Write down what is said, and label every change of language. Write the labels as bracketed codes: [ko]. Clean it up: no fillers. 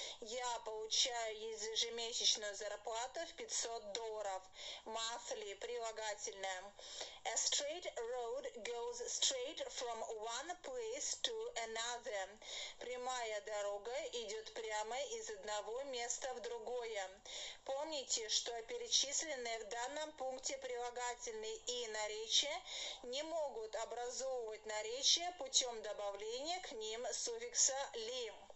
[ru] Я получаю ежемесячную зарплату в $500. Monthly – прилагательное. [en] A straight road goes straight from one place to another. [ru] Прямая дорога идет прямо из одного место в другое. Помните, что перечисленные в данном пункте прилагательные и наречия не могут образовывать наречия путем добавления к ним суффикса «ли».